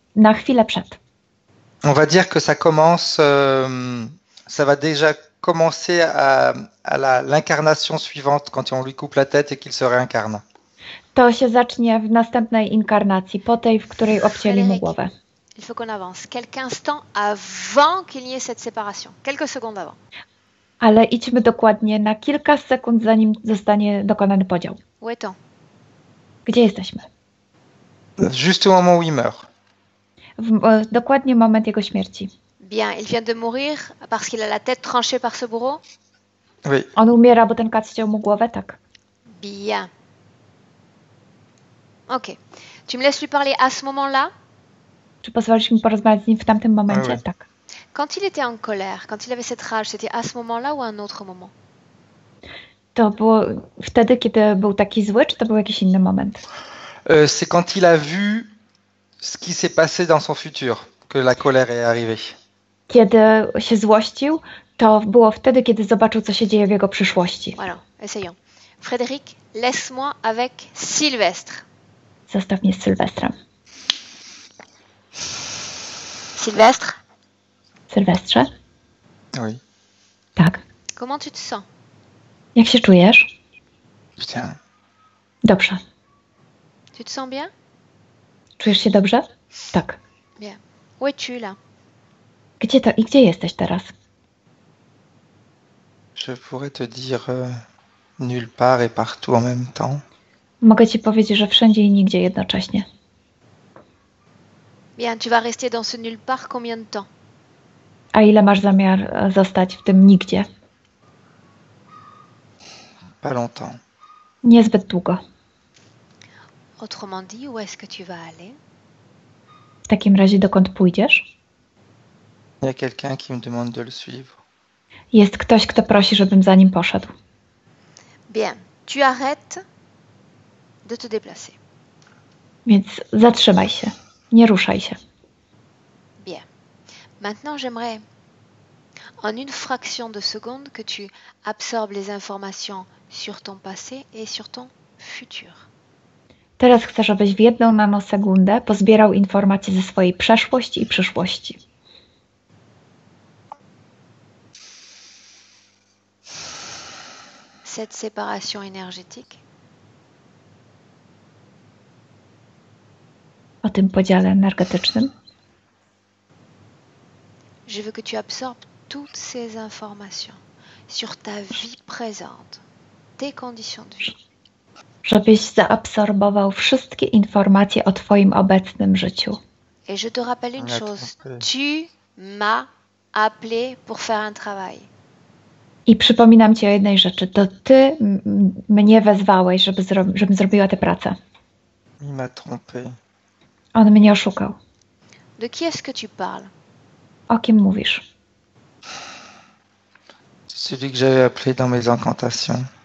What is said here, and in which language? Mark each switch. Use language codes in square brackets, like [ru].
[pl] Na chwilę przed. [fr] On va dire que ça commence, ça va déjà commencer à l'incarnation suivante quand on lui coupe la tête et qu'il se réincarne. [pl] To się zacznie w następnej inkarnacji, po tej, w której obcięli mu głowę. [fr] Il faut qu'on avance quelques instants avant qu'il y ait cette séparation. Quelques secondes avant. [pl] Ale idźmy dokładnie na kilka sekund, zanim zostanie dokonany podział. [fr] Où est-on? [pl] Gdzie jesteśmy? [fr] Juste au moment où il meurt. [pl] Dokładnie moment jego śmierci. [fr] Bien, il vient de mourir parce qu'il a la tête tranchée par ce bourreau? Oui. [pl] On umiera, bo ten kac ściął mu głowę, tak. [fr] Bien. Ok. Tu me laisses lui parler à ce moment-là? [pl] Czy pozwolisz mi porozmawiać z nim w tamtym momencie? [fr] Oui. [pl] Tak. [fr] Quand il était en colère, quand il avait cette rage, c'était à ce moment-là ou à un autre moment? [pl] To było wtedy, kiedy był taki zły, czy to był jakiś inny moment? [fr] C'est quand il a vu ce qui s'est passé dans son futur, que la colère est arrivée. [pl] Kiedy się złościł, to było wtedy, kiedy zobaczył, co się dzieje w jego przyszłości. [fr] Voilà, essayons. Frédéric, laisse-moi avec Sylvestre. [pl] Zostaw mnie z Sylwestrem. [fr] Sylwestre? [pl] Sylwestrze? [fr] Oui. [pl] Tak. [fr] Comment tu te sens? [pl] Jak się czujesz? [fr] Bien. [pl] Dobrze. [fr] Tu te sens bien? [pl] Czujesz się dobrze? Tak. [fr] Bien. Où es-tu là? [pl] Gdzie to i gdzie jesteś teraz? [fr] Je pourrais te dire nulle part et partout en même temps. [pl] Mogę ci powiedzieć, że wszędzie i nigdzie jednocześnie. [fr] Bien, tu vas rester dans ce nulle part combien de temps? [pl] A ile masz zamiar zostać w tym nigdzie? [fr] Pas longtemps. [pl] Niezbyt długo. [fr] Autrement dit, où est-ce que tu vas aller? [pl] W takim razie, dokąd pójdziesz? [fr] Il y a quelqu'un qui me demande de le suivre. [pl] Jest ktoś, kto prosi, żebym za nim poszedł. [fr] Bien, tu arrêtes de te déplacer. [pl] Więc zatrzymaj się. Nie ruszaj się. [fr] Bien. Maintenant, j'aimerais en une fraction de seconde que tu absorbes les informations sur ton passé et sur ton futur. [pl] Teraz chcę, żebyś w jedną nanosekundę pozbierał informacje ze swojej przeszłości i przyszłości. [fr] Cette séparation énergétique. [pl] O tym podziale energetycznym. [fr] Je veux que tu absorbes toutes ces informations sur ta vie présente, tes conditions de vie. [pl] Żebyś zaabsorbował wszystkie informacje o twoim obecnym życiu. [fr] Et je te rappelle une chose. Tu m'as appelé pour faire un travail. [pl] I przypominam ci o jednej rzeczy. To ty mnie wezwałeś, żebym zrobiła tę pracę. [fr] Il m'a trompé. [pl] On mnie oszukał. [fr] De qui est-ce que tu parles? [pl] O kim mówisz? [fr] Celui que j'avais appelé dans mes incantations.